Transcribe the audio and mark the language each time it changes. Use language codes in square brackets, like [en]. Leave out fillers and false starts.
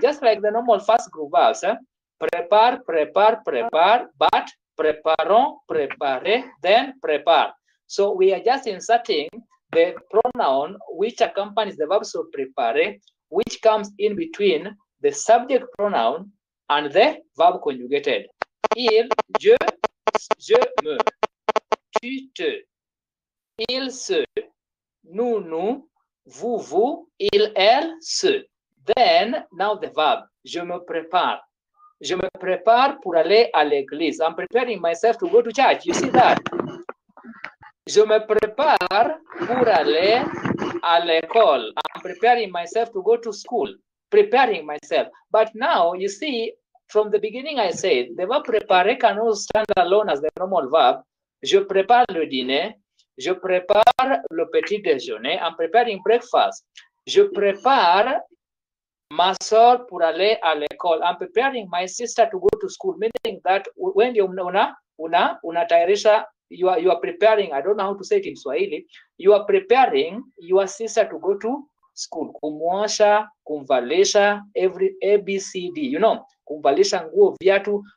[en] Just like the normal first group verbs. [fr] Prépare, prépare, prépare. [en] Okay. But [fr] préparons, préparez, [en] then prépare. So we are just inserting the pronoun which accompanies the verbs of prepare, which comes in between the subject pronoun and the verb conjugated. [fr] Il, je, je me, tu te, il se, nous nous, vous vous, il elle se. Then now the verb, je me prépare. Je me prépare pour aller à l'église. [en] I'm preparing myself to go to church. You see that? [fr] Je me prépare pour aller à l'école. [en] I'm preparing myself to go to school. Preparing myself. But now, you see, from the beginning I said, the verb préparer can also stand alone as the normal verb. [fr] Je prépare le dîner. Je prépare le petit déjeuner. [en] I'm preparing breakfast. [fr] Je prépare ma soeur pour aller à l'école. [en] I'm preparing my sister to go to school, meaning that when you are preparing, I don't know how to say it in Swahili, you are preparing your sister to go to school. [sw] Kumuasha, kumvalisha, [en] every A, B, C, D, you know, [sw] kumvalisha nguo viatu.